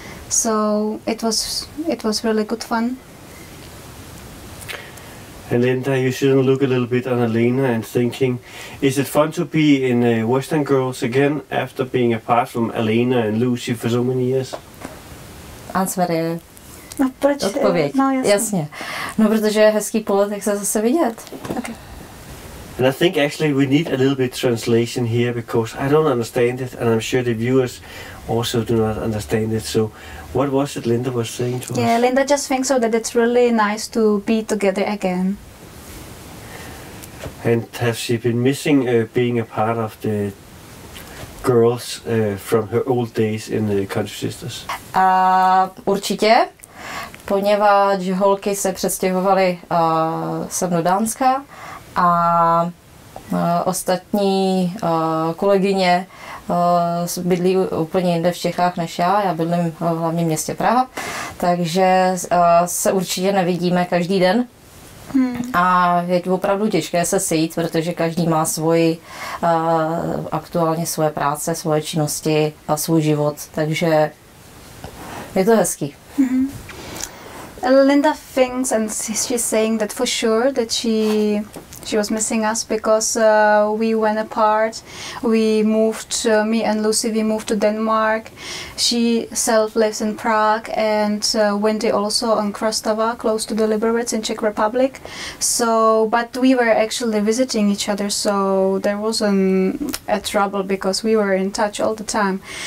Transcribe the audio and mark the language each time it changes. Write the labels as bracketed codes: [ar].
[en] So it was really good fun. And Linda, you shouldn't look a little bit on Alena and thinking, is it fun to be in Western Girls again after being apart from Alena and Lucy for so many years? Answer it. [cs] No, proč? Odpověď. No, jasně. No, protože je hezký polet, jak se zase vidět. [en] Okay. And I think actually we need a little bit translation here because I don't understand it and I'm sure the viewers also do not understand it. So what was it Linda was saying to us? Yeah, Linda just thinks so that it's really nice to be together again. And has she been missing being a part of the girls from her old days in the Country Sisters? [cs] Určitě. Poněvadž holky se přestěhovaly sem do Dánska a ostatní kolegyně bydlí úplně jinde v Čechách než já bydlím v hlavním městě Praha, takže se určitě nevidíme každý den. A je opravdu těžké se sejít, protože každý má svoji, aktuálně svoje práce, svoje činnosti a svůj život, takže je to hezký. [en] Linda thinks and she's saying that for sure that she was missing us because we went apart, we moved, me and Lucy, we moved to Denmark, she self lives in Prague and Wendy also on Krastava, close to the Liberec in Czech Republic, so, but we were actually visiting each other, so there wasn't a trouble because we were in touch all the time,